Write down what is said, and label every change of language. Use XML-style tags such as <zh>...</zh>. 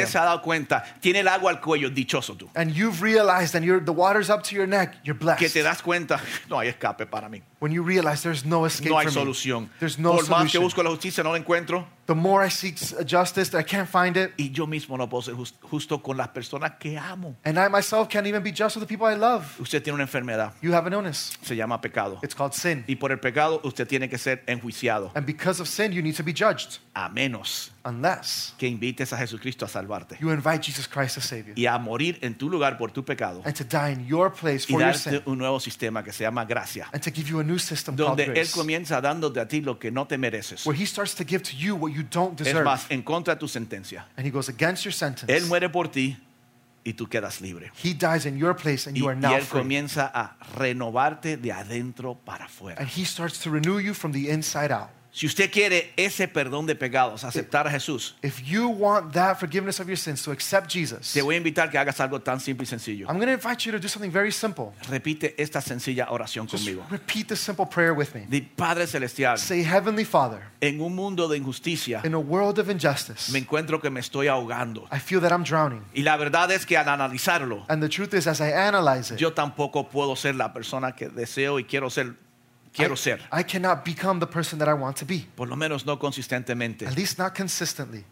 <es>Y usted se ha dado cuenta, tiene el agua al cuello, dichoso tú.</es> <en>And you've realized and the water's up to your neck, you're blessed.</en> <es>Que te das cuenta, no hay escape para mí.</es> <en>When you realize there's no escape</en> <es>no hay solución.</es> <en>For me. There's no</en> <es>por más</es> <en>solution.</en> <es>Que busco la justicia, no la encuentro.</es> <en>The more I seek justice, I can't find it.</en> <es>Y yo mismo no puedo ser justo con las personas que amo.</es> <en>And I myself can't even be just with the people I love.</en> <es>Usted tiene una enfermedad.</es> <en>You have an illness.</en> <es>Se llama pecado.</es> <en>It's called sin.</en> <es>Y por el pecado, usted tiene que ser enjuiciado.</es> <en>And because of sin, you need to be judged.</en> <es>A menos.</es> <en>Unless.</en> <es>Que invites a Jesucristo a salvarte.</es> <en>You invite Jesus Christ to save you.</en> <es>Y a morir en tu lugar por tu pecado.</es> <en>And to die in your place for your sin.</en> <es>Y darte un nuevo sistema que se llama gracia.</es> <en>And to give you a new system</en> <es>donde</es> <en>called grace.</en> <es>Donde Él comienza dándote a ti lo que no te mereces.</es> <en>Where He starts to give to you what you don't deserve.</en> <es>Es más, en contra de tu sentencia.</es> <en>And he goes against your sentence.</en> <es>Él muere por ti y tú quedas libre.</es> <en>He dies in your place and you are now free.</en> <es>Y él comienza a renovarte de adentro para afuera.</es> <en>And he starts to renew you from the inside out.</en> <es>Si usted quiere ese perdón de pecados, aceptar a Jesús.</es> <en>If you want that forgiveness of your sins, to accept Jesus.</en> <es>Te voy a invitar que hagas algo tan simple y sencillo.</es> <en>I'm going to invite you to do something very simple.</en> <es>Repite esta sencilla oración</es> <en>just</en> <es>conmigo.</es> <en>Repeat this simple prayer with me.</en> <es>Di Padre celestial.</es> <en>Say Heavenly Father.</en> <es>En un mundo de injusticia.</es> <en>In a world of injustice.</en> <es>Me encuentro que me estoy ahogando.</es> <en>I feel that I'm drowning.</en> <es>Y la verdad es que al analizarlo.</es> <en>And the truth is as I analyze it.</en> <es>Yo tampoco puedo ser la persona que deseo y quiero ser.</es> <en>I cannot become the person that I want to be.</en> <es>Por lo menos no consistentemente.</es> <en>At least not consistently.</en>